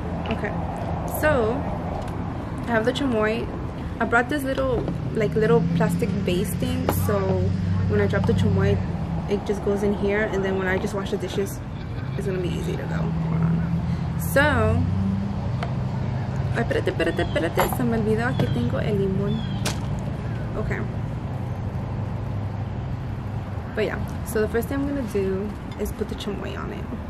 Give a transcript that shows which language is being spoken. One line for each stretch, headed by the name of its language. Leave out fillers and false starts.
English: Okay, so I have the chamoy. I brought this little, like, little plastic base thing, so when I drop the chamoy, it just goes in here, and then when I just wash the dishes, it's gonna be easy to go.
Spanish: So espérate, se me olvidó, aquí tengo el limón.
English: Okay. But yeah, so the first thing I'm gonna do is put the chamoy on it.